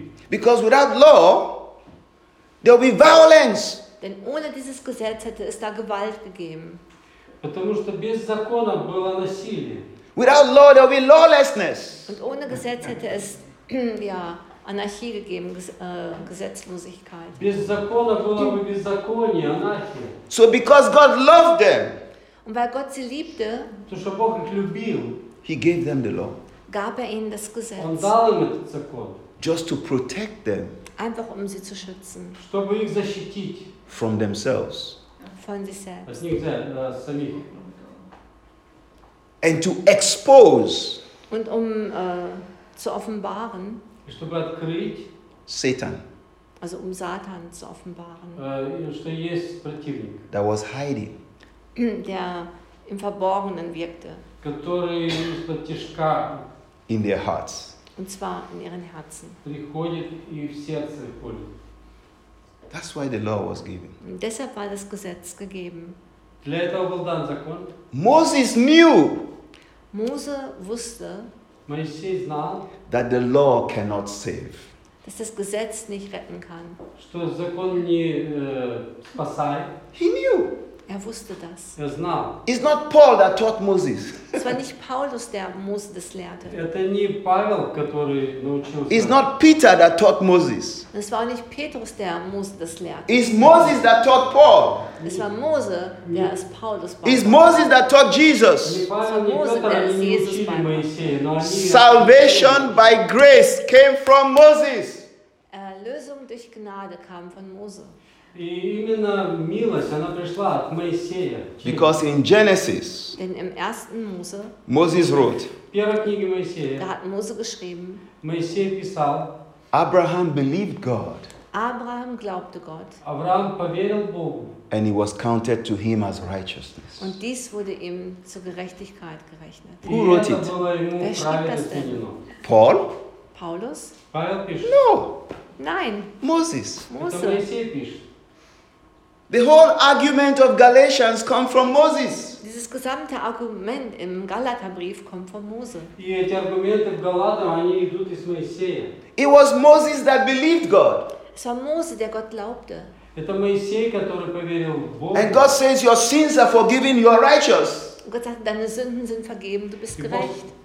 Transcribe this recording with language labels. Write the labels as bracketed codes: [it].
[en] Because without law, there will be violence. [de] Denn ohne dieses Gesetz hätte es da Gewalt gegeben. [ru] Потому что без закона было насилие. [en] Without law, there will be lawlessness. [de] Und ohne Gesetz hätte es ja Anarchie gegeben, Gesetzlosigkeit. [ru] Без закона было бы беззаконие, анархия. [en] So because God loved them. [de] Und weil Gott sie liebte. [ru] То что Бог их любил. [en] He gave them the law. [de] Gab ihnen das Gesetz. [ru] Он дал им этот закон. [en] Just to protect them. [de] Einfach um sie zu schützen. [ru] Чтобы их защитить. [en] From themselves. [de] Von sich selbst. Aus sich selbst. [en] And to expose. [de] Und um zu offenbaren. [ru] Чтобы открыть. [en] Satan. [de] Also um Satan zu offenbaren. [ru] Что есть противник. [en] That was hiding. [de] Der im Verborgenen wirkte. [ru] Который просто тяжка. [en] In their hearts. [de] Und zwar in ihren Herzen. [ru] Приходит и в сердце входит. [en] That's why the law was given. [de] Und deshalb war das Gesetz gegeben. [ru] Для этого был дан закон. [en] Moses knew. [de] Mose wusste. [ru] Моисей знал. [en] That the law cannot save. [de] Dass das Gesetz nicht retten kann. [ru] Что закон не спасает. [en] He knew. [de] Er wusste das. Er [ru] знал. [en] It's not Paul that taught Moses. [de] Es war nicht Paulus, der Mose das lehrte. [ru] Это не Павел, который научился. [en] It's not Peter that taught Moses. [de] Es war nicht Petrus, der Mose das lehrte. [en] It's Moses that taught Paul. [de] Es war Mose, der es Paulus beigebracht. [en] It's Moses that taught Jesus. [de] Es war Mose, der es Jesus beigebracht. [en] Salvation by grace came from Moses. [de] Erlösung durch Gnade kam von Mose. [ru] И именно милость, она пришла от Моисея. [en] Because in Genesis, [de] denn im ersten Mose, [en] Moses wrote, [ru] в первой книге Моисея, [de] da hat Mose geschrieben, [ru] Моисей писал, [en] Abraham believed God. [de] Abraham glaubte Gott. [ru] Abraham поверил Богу. [en] And it was counted to him as righteousness. [de] Und dies wurde ihm zur Gerechtigkeit gerechnet. [en] Who wrote it? [de] Wer schrieb das denn? [en] Paul? [de] Paulus? [ru] Павел пишет. [en] No. [de] Nein. [en] Moses. [de] Mose. [ru] Моисей пишет. [en] The whole argument of Galatians comes from Moses. [de] Dieses gesamte Argument im Galaterbrief kommt von Mose. [ru] И эти аргументы в Галатах, они идут из Моисея. [en] It was Moses that believed God. [de] Es war Mose, der Gott glaubte. [ru] Это Моисей, который поверил Богу. [en] And God says, your sins are forgiven, you are righteous. [de] Gott sagt, deine Sünden sind vergeben, du bist gerecht.